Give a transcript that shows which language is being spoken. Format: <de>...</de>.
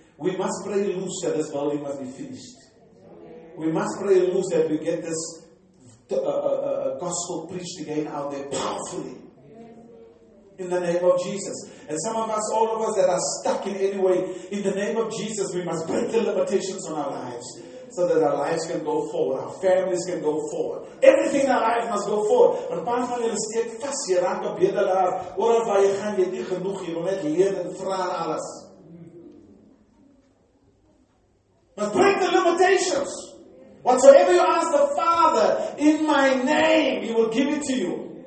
<en>We must pray loose that this building must be finished. We must pray loose that we get this gospel preached again out there powerfully. In the name of Jesus. And some of us, all of us that are stuck in any way, in the name of Jesus, we must break the limitations on our lives so that our lives can go forward, our families can go forward. Everything in our life must go forward.</en> <af>Maar paar van julle steek vas, jy raak 'n bedelaar, oral waar jy gaan, jy het nie genoeg, jy wil net leen en vra en alles.</af> <en>But break the limitations. Whatsoever you ask the Father in my name, he will give it to you.</en>